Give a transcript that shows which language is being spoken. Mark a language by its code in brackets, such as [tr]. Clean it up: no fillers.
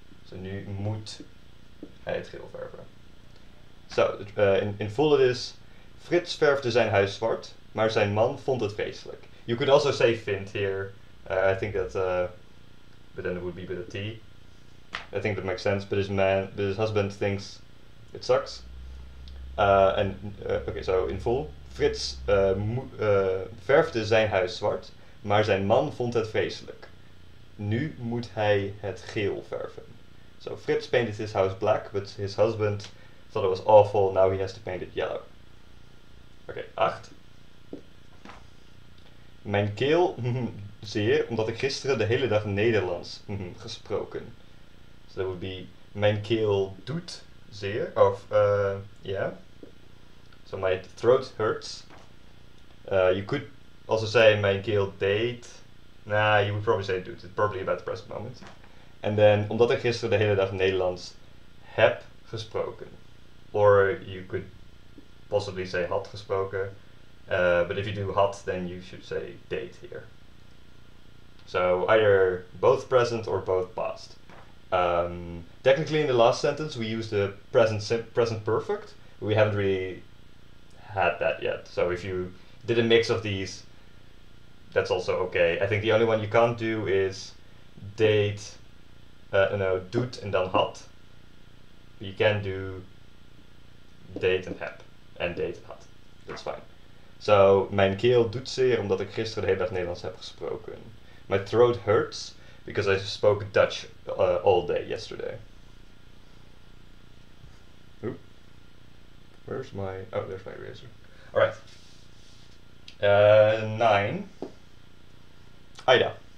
[nl] So nu moet hij het geel verven. [en] So, in full it is, [nl] Frits verfde zijn huis zwart, maar zijn man vond het vreselijk. [en] You could also say vindt here. I think that, but then it would be with a T. I think that makes sense, but his man, but his husband thinks it sucks. Okay, so in full. [nl] Frits verfde zijn huis zwart, maar zijn man vond het vreselijk. Nu moet hij het geel verven. [en] So Frits painted his house black, but his husband thought it was awful, now he has to paint it yellow. Okay, 8. [nl] Mijn keel zeer, omdat ik gisteren de hele dag Nederlands gesproken. [en] So that would be, [nl] mijn keel doet zeer, of, [en] yeah. So my throat hurts. You could also say [nl] mijn keel deed. [en] Nah, you would probably say doet. It's probably about the present moment. And then, [nl] omdat ik gisteren de hele dag Nederlands heb gesproken. [en] Or you could possibly say [nl] had gesproken. [en] But if you do had, then you should say deed here. So either both present or both past. Technically in the last sentence we use the present present perfect. We haven't really had that yet. So if you did a mix of these, that's also okay. I think the only one you can't do is deed, doet and then had. You can do deed and heb and deed and had. That's fine. [nl] So mijn keel doet zeer omdat ik gisteren de hele dag Nederlands heb gesproken. [en] My throat hurts because I spoke Dutch all day yesterday. Where's my... Oh, there's my eraser. Alright. 9. Ida.